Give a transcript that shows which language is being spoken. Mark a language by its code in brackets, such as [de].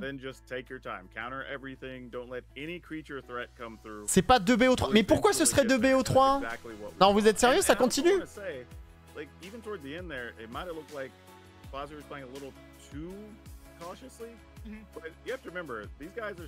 [en] Then just take your time. Counter everything. Don't let any creature threat come through. [fr] C'est pas deux BO3. Mais pourquoi ce serait deux BO3? Non, vous êtes sérieux? Ça continue? [en] Like even towards the end there, it might have looked like Bowser was playing a little too cautiously. But you have to remember, these guys are